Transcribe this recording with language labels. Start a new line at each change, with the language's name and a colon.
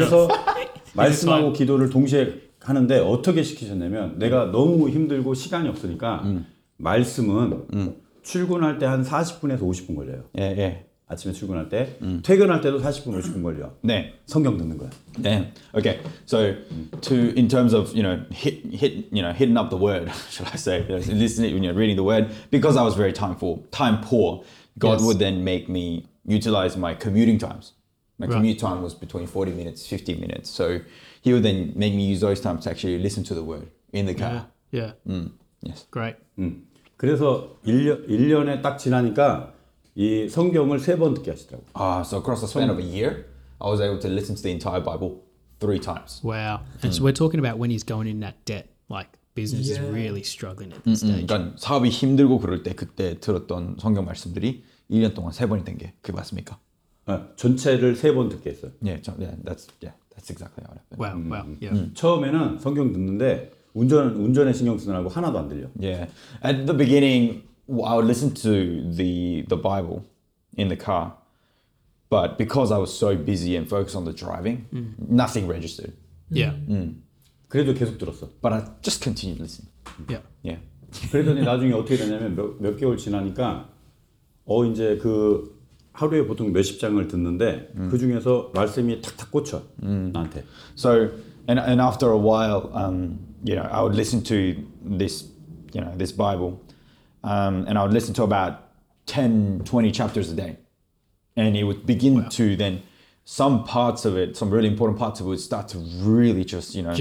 Korean: 그래서 말씀하고 기도를 동시에 하는데 어떻게 시키셨냐면 내가 너무 힘들고 시간이 없으니까 말씀은 출근할 때 한 40분에서 50분 걸려요. 예, 예. 아침에 출근할 때, 퇴근할 때도 40분, 50분 걸려. 네. 성경 듣는 거야. 네. Okay.
English: So, in terms of, you know, hitting up the word, should I say, you know, listening, you know, reading the word, because I was very time poor, God yes. would then make me utilize my commuting times. My commute right. time was between 40 minutes, 50 minutes. So, he would then make me use those times to actually listen to the word in the car. Yeah. yeah. Yes. Great.
Korean: 그래서 1년에 딱 지나니까, 이 성경을 세 번 듣게 하시더라고.
English: So across the span of a year, I was able to listen to the entire Bible 3 times. Wow. And so we're talking about when he's going in that debt, like business yeah. is really struggling at this stage.
Korean: 그러니까 사업이 힘들고 그럴 때 그때 들었던 성경 말씀들이 1년 동안 세 번이 된 게 그게 맞습니까? 전체를 세 번 듣게 했어요.
English: Yeah, that's exactly what happened. Wow. Wow. Yeah.
Korean: 처음에는 성경 듣는데 운전에 신경 쓰느라고 하나도 안 들려.
English: Yeah. At the beginning I would listen to the Bible in the car, but because I was so busy and focused on the driving, nothing registered. Yeah.
Korean: 그래도 계속 들었어.
English: But I just continued listening. Yeah. Yeah.
Korean: 그러더니 나중에 어떻게 되냐면 몇 개월 지나니까 이제 그 하루에 보통 몇십 장을 듣는데 그 중에서 말씀이 탁탁 꽂혀 나한테.
English: So and after a while, you know, I would listen to this, you know, this Bible. And I would listen to about 10, 20 chapters a day. And it would begin to then, some parts of it, some really important parts of it would start to really just, you know.